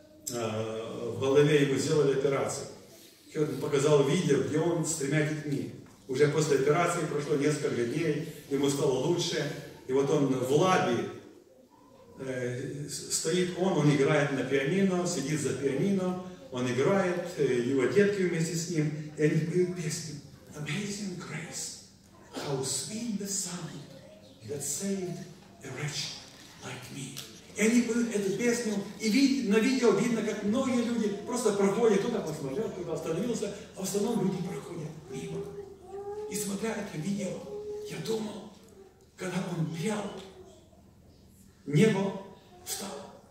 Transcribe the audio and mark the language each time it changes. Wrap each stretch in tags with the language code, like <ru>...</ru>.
<ru>В голове ему сделали операцию. И он показал видео, где он с тремя детьми. Уже после операции прошло несколько дней, ему стало лучше. И вот он в лабе стоит, он играет на пианино, сидит за пианино. Он играет, его детки вместе с ним, и они поют песню.</ru> <en>Amazing grace, how sweet the sound that saved a wretch like me.</en> <ru>И они поют эту песню, и на видео видно, как многие люди просто проходят, кто-то посмотрел, кто-то остановился, а в основном люди проходят мимо. И смотря это видео, я думал, когда он пел, небо встало.</ru>